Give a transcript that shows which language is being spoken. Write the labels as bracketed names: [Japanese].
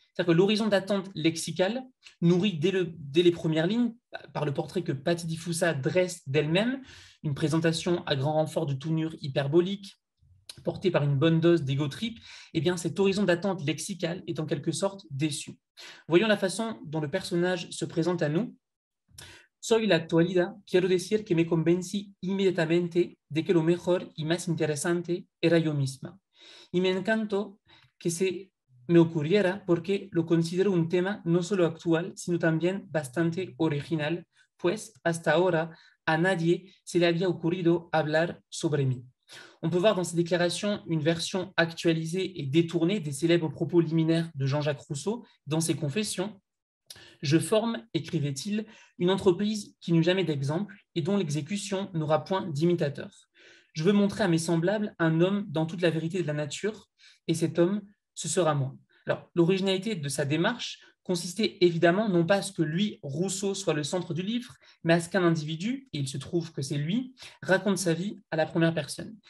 [French] C'est-à-dire que l'horizon d'attente lexicale, nourri dès les premières lignes par le portrait que Paty di Fussa dresse d'elle-même, une présentation à grand renfort de tournure hyperbolique, portée par une bonne dose d'ego trip, eh bien cet horizon d'attente lexicale est en quelque sorte déçu. Voyons la façon dont le personnage se présente à nous. [Spanish] Soy la actualidad, quiero decir que me convencí inmediatamente de que lo mejor y más interesante era yo misma. Y me encantó que se me ocurriera porque lo considero un tema no solo actual, sino también bastante original, pues hasta ahora a nadie se le había ocurrido hablar sobre mí. [French] On peut voir dans ces déclarations une version actualisée et détournée des célèbres propos liminaires de Jean-Jacques Rousseau dans ses Confessions. « Je forme, écrivait-il, une entreprise qui n'eut jamais d'exemple et dont l'exécution n'aura point d'imitateur. Je veux montrer à mes semblables un homme dans toute la vérité de la nature, et cet homme, ce sera moi. » Alors, l'originalité de sa démarche consistait évidemment non pas à ce que lui, Rousseau, soit le centre du livre, mais à ce qu'un individu, et il se trouve que c'est lui, raconte sa vie à la première personne.